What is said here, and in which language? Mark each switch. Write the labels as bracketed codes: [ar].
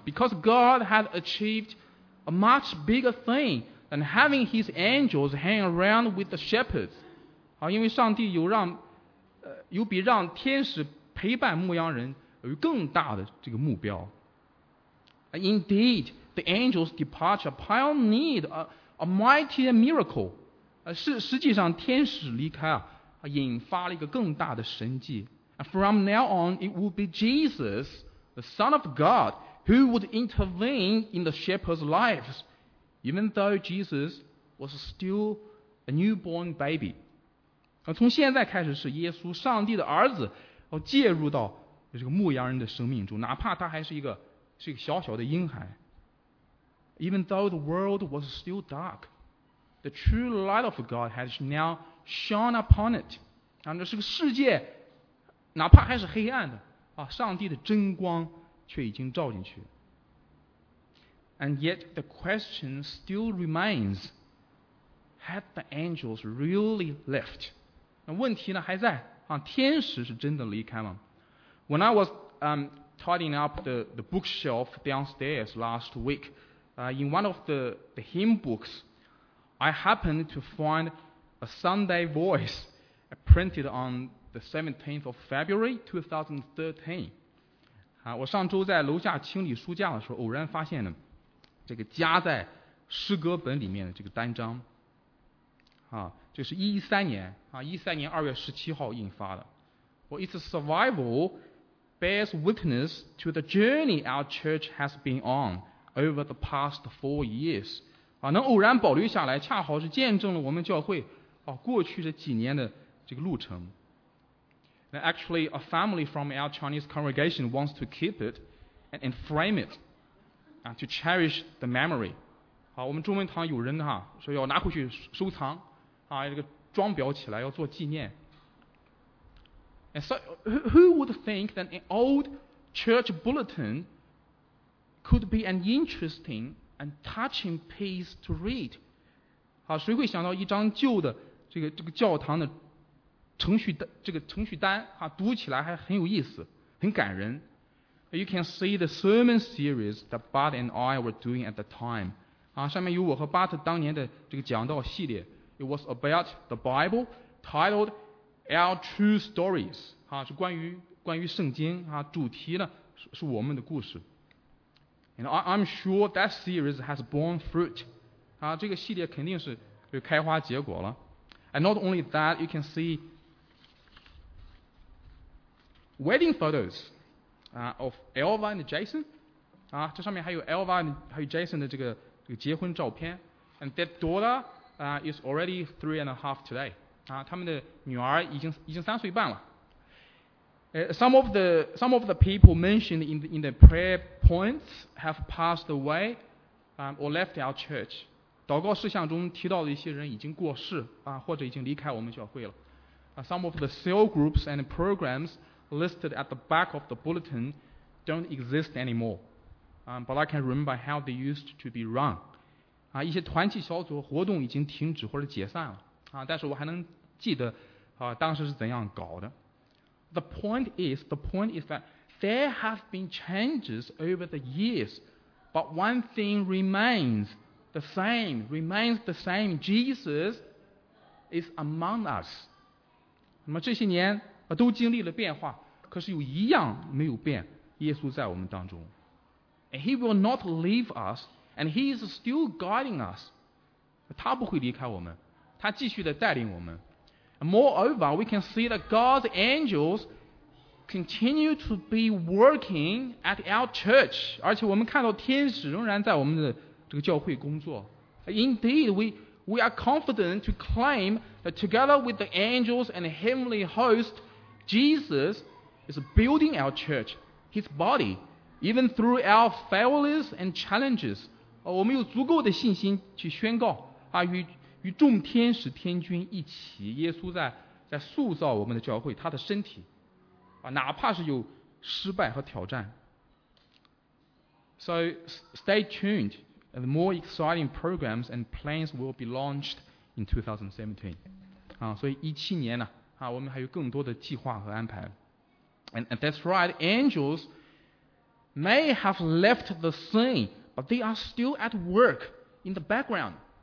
[en] Because God had achieved a much bigger thing than having his angels hang around with the shepherds. [zh] 啊，因为上帝有比让天使陪伴牧羊人有更大的这个目标。 [en] Indeed, the angels' departure pioneered a mighty miracle. [zh] 实际上天使离开啊，引发了一个更大的神迹。 [en] From now on, it would be Jesus, the Son of God, who would intervene in the shepherds' lives, even though Jesus was still a newborn baby. [zh] 从现在开始是耶稣，上帝的儿子，介入到这个牧羊人的生命中，哪怕他还是一个小小的婴孩。 [en] Even though the world was still dark, the true light of God has now shone upon it. [zh] 啊，这是个世界，哪怕还是黑暗的，啊，上帝的真光却已经照进去。 [en] And yet the question still remains: Had the angels really left? [zh] 那问题呢还在啊？天使是真的离开吗？ [en] When I was tidying up the bookshelf downstairs last week, in one of the hymn books, I happened to find a Sunday Voice printed on the 17th of February 2013. [zh] 我上周在楼下清理书架的时候，偶然发现了这个夹在诗歌本里面的这个单张。啊，这是一三年二月17号印发的。 [en] Well, it's a survival. Bears witness to the journey our church has been on over the past 4 years. [zh] 啊，能偶然保留下来，恰好是见证了我们教会啊过去这几年的这个路程。 [en] Now, actually, a family from our Chinese congregation wants to keep it and frame it, to cherish the memory. [zh] 啊，我们中文堂有人哈，说要拿回去收藏，啊，这个装裱起来要做纪念。 [en] And so, who would think that an old church bulletin could be an interesting and touching piece to read? [zh] 好，谁会想到一张旧的这个教堂的程序单啊，读起来还很有意思，很感人。 [en] You can see the sermon series that Bart and I were doing at the time. [zh] 啊，上面有我和巴特当年的这个讲道系列。 [en] It was about the Bible, titled Our True Stories. [zh] 啊，是关于圣经啊，主题呢是我们的故事。 [en] And I'm sure that series has borne fruit. [zh] 啊，这个系列肯定是就开花结果了。 [en] And not only that, you can see wedding photos, of Elva and Jason. [zh] 啊，这上面还有 Elva 还有 Jason 的这个结婚照片。 [en] And their daughter, is already 3.5 today. [zh] 啊，他们的女儿已经3岁半了。 [en] Some of the people mentioned in the prayer points have passed away, or left our church. [zh] 祷告事项中提到的一些人已经过世啊，或者已经离开我们教会了。 [en] Some of the cell groups and programs listed at the back of the bulletin don't exist anymore. But I can remember how they used to be run. [zh] 啊，一些团契小组活动已经停止或者解散了啊，但是我还能记得啊，当时是怎样搞的。 [en] The point is that there have been changes over the years, but one thing remains the same. Jesus is among us. [zh] 那么这些年啊都经历了变化，可是有一样没有变，耶稣在我们当中。 [en] And he will not leave us, and he is still guiding us. [zh] 他不会离开我们，他继续的带领我们。 [en] And moreover, we can see that God's angels continue to be working at our church. [zh] 而且我们看到天使仍然在我们的这个教会工作。 [en] Indeed, we are confident to claim that together with the angels and the heavenly host, Jesus is building our church, his body, even through our failures and challenges. [zh] 我们有足够的信心去宣告啊，与众天使天君一起，耶稣在塑造我们的教会，他的身体，啊，哪怕是有失败和挑战。 [en] So stay tuned, and more exciting programs and plans will be launched in 2017. So 2017, and that's right, angels may have left the scene, but they are still at work in the background.